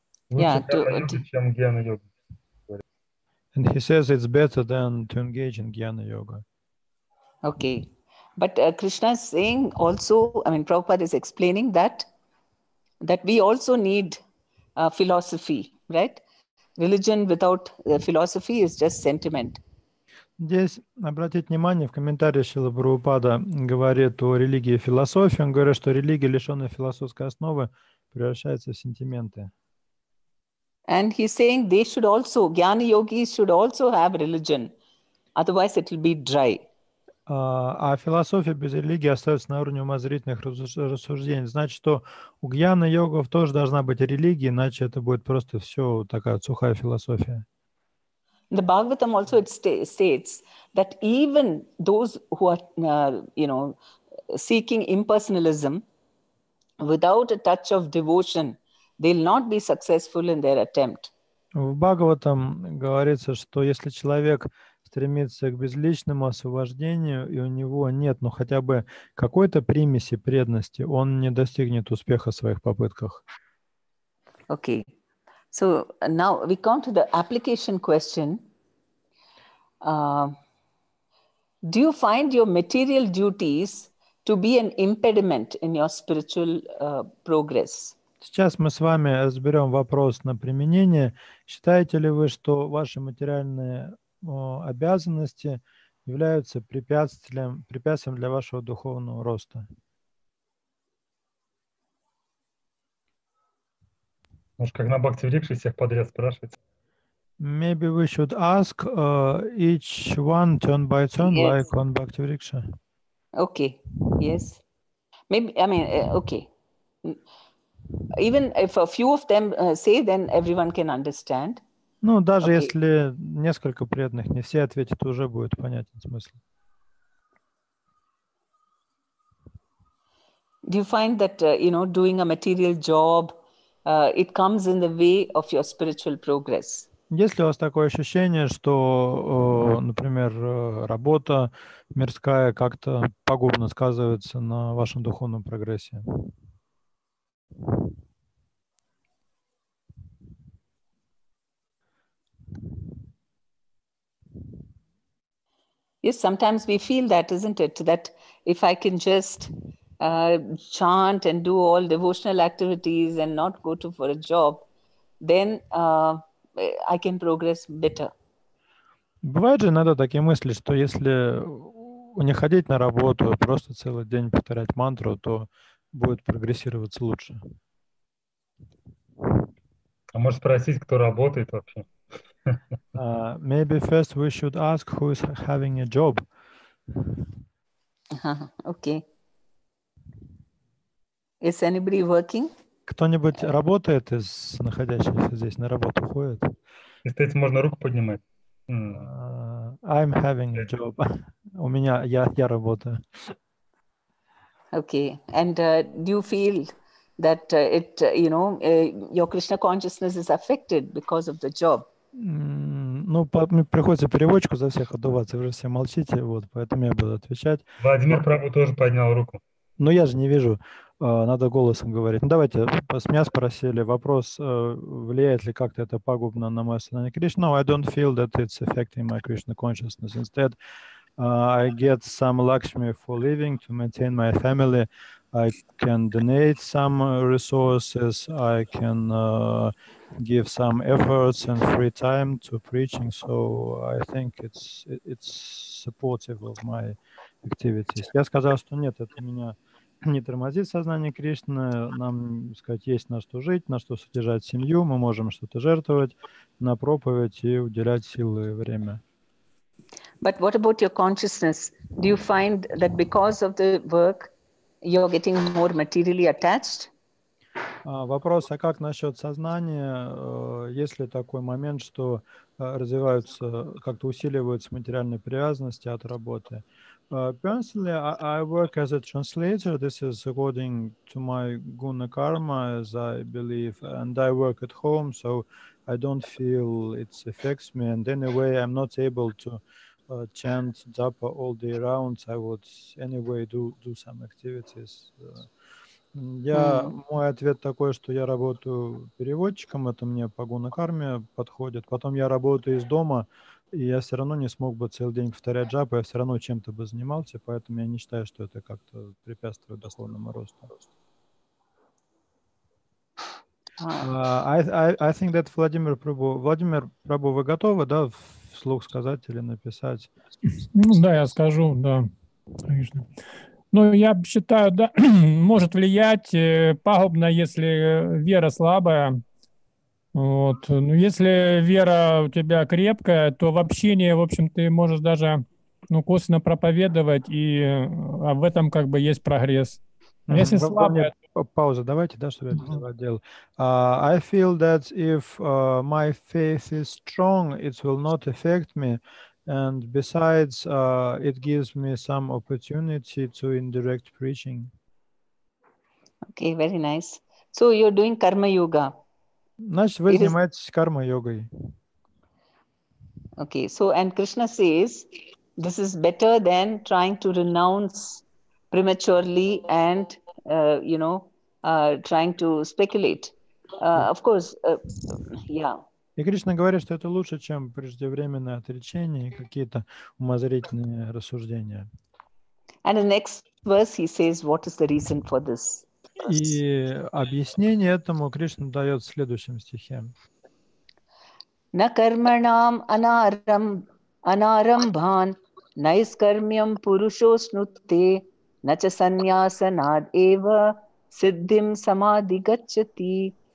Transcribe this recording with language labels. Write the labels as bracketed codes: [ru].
[en] And he says it's better than to engage in Jnana Yoga. Okay. But Krishna is saying also, I mean, Prabhupada is explaining that we also need philosophy, right? Religion without philosophy is just sentiment. [ru] Здесь обратить внимание, в комментарии Шрила Прабхупада говорит о религии и философии. Он говорит, что религия, лишенная философской основы, превращается в сентименты. [en] And he's saying they should also, jnana yogis should also have religion. Otherwise it will be dry. [ru] А философия без религии остается на уровне умозрительных рассуждений. Значит, что у гьяна-йогов тоже должна быть религия, иначе это будет просто все такая сухая философия. [en] The Bhagavatam also states that even those who are, you know, seeking impersonalism without a touch of devotion, they'll not be successful in their attempt. [ru] В Бхагаватам говорится, что если человек стремится к безличному освобождению, и у него нет, ну, хотя бы какой-то примеси преданности, он не достигнет успеха в своих попытках. [en] Okay. So now we come to the application question. Do you find your material duties to be an impediment in your spiritual progress? [ru] Сейчас мы с вами разберем вопрос на применение. Считаете ли вы, что ваши материальные обязанности являются препятствием для вашего духовного роста? Может, как на Бхактивикше всех подряд спрашивать? [en] Maybe we should ask each one turn by turn, yes. Like on Bhaktivriksha. Okay, yes. Okay. Even if a few of them say, then everyone can understand. [ru] Ну, даже okay. Если несколько преданных не все ответят, уже будет понятен смысл. [en] Do you find that, you know, doing a material job, it comes in the way of your spiritual progress? [ru] Есть ли у вас такое ощущение, что, например, работа мирская как-то пагубно сказывается на вашем духовном прогрессе? [en] Yes, sometimes we feel that, isn't it? That if I can just chant and do all devotional activities and not go to for a job, then I can progress better. [ru] Бывают же иногда такие мысли, что если не ходить на работу, просто целый день повторять мантру, то будет прогрессироваться лучше. А может спросить, кто работает вообще? [en] Maybe first we should ask who is having a job. Okay. Is anybody working? [ru] Кто-нибудь работает из находящихся здесь, на работу ходит? Если это можно руку поднимать. [en] I'm having a job. [ru] У меня, я работаю. [en] Okay. And do you feel that it, you know, your Krishna consciousness is affected because of the job? [ru] Ну, приходится переводчику за всех отдуваться, вы же все молчите, вот, поэтому я буду отвечать. Владимир Прабу тоже поднял руку. Но я же не вижу, надо голосом говорить. Ну, давайте, с меня спросили вопрос, влияет ли как-то это пагубно на мое сознание Кришна. [en] No, I don't feel that it's affecting my Krishna consciousness. Instead, I get some Lakshmi for living to maintain my family. I can donate some resources. I can give some efforts and free time to preaching. So I think it's supportive of my activities. [ru] Я сказал, что нет, это меня не тормозит сознание Кришны. Нам, сказать, есть на что жить, на что содержать семью. Мы можем что-то жертвовать на проповедь и уделять силы и время. [en] But what about your consciousness? Do you find that because of the work, you're getting more materially attached? [ru] Вопрос, а как насчет сознания? Есть ли такой момент, что развиваются, как-то усиливаются материальные привязанности от работы? [en] Personally, I work as a translator. This is according to my guna karma, as I believe. And I work at home, so I don't feel it affects me. And anyway, I'm not able to chant japa all day round. I would anyway do some activities. [ru] Мой ответ такой, что я работаю переводчиком, это мне по гуна карме подходит. Потом я работаю из дома, и я все равно не смог бы целый день повторять джапу, я все равно чем-то бы занимался, поэтому я не считаю, что это как-то препятствует духовному росту. [en] I think that [ru] Владимир Прабу, вы готовы, да, вслух сказать или написать? Ну, да, я скажу, да, конечно. Ну, я считаю, да, может влиять пагубно, если вера слабая. Вот. Но если вера у тебя крепкая, то в общении, в общем, ты можешь даже ну, косвенно проповедовать, и в этом как бы есть прогресс. Если слабо... Пауза, давайте, да, чтобы я это делал. [en] I feel that if my faith is strong, it will not affect me. And besides, it gives me some opportunity to indirect preaching. Okay, very nice. So you're doing karma yoga. [ru] Значит, вы занимаетесь карма йогой. [en] Okay, so and Krishna says, this is better than trying to renounce prematurely and, you know, trying to speculate. Of course, yeah. [ru] И Кришна говорит, что это лучше, чем преждевременное отречение и какие-то умозрительные рассуждения. [en] And the next verse he says, what is the reason for this? [ru] И объяснение этому Кришна дает в следующем стихе. [sa] На карманам анарам анарамбан наискармьям пурушоснутте нача саньясанад эва сиддим самадигачати.